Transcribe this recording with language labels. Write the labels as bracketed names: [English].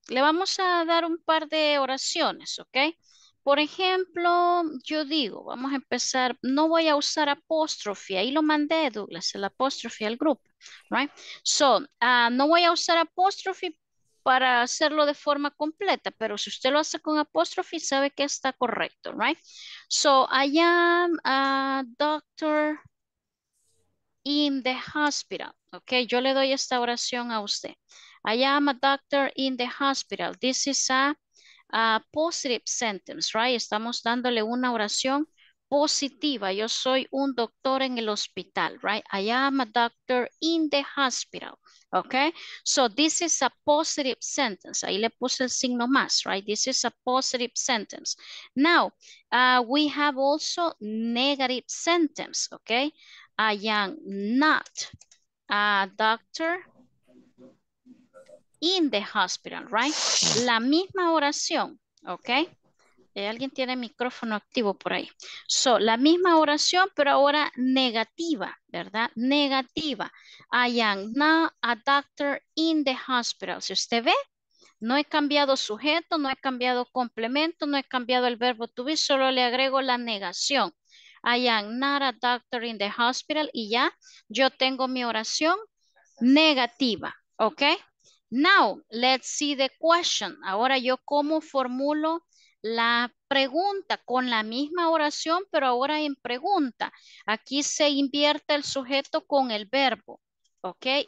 [Spanish] Le vamos a dar un par de oraciones, ¿ok? Por ejemplo, yo digo, vamos a empezar. No voy a usar apóstrofe. Ahí lo mandé, Douglas, el apóstrofe al grupo, right? So, no voy a usar apóstrofe para hacerlo de forma completa, pero si usted lo hace con apóstrofe, sabe que está correcto, right? [English] So, I am a doctor in the hospital. [Spanish] Okay, yo le doy esta oración a usted. [English] I am a doctor in the hospital. This is a positive sentence, right? [Spanish] Estamos dándole una oración positiva. Yo soy un doctor en el hospital, right? [English] I am a doctor in the hospital. Okay, so this is a positive sentence. [Spanish] Ahí le puse el signo más, right? [English] This is a positive sentence. Now, we have also negative sentence, okay? I am not a doctor in the hospital, right? [Spanish] La misma oración, okay? Alguien tiene micrófono activo por ahí. So, la misma oración, pero ahora negativa, ¿verdad? Negativa. [English] I am not a doctor in the hospital. [Spanish] Si usted ve, no he cambiado sujeto, no he cambiado complemento, no he cambiado el verbo to be, solo le agrego la negación. [English] I am not a doctor in the hospital. [Spanish] Y ya, yo tengo mi oración negativa, ¿ok? [English] Now, let's see the question. [Spanish] Ahora yo cómo formulo la pregunta con la misma oración, pero ahora en pregunta. Aquí se invierte el sujeto con el verbo, ¿ok?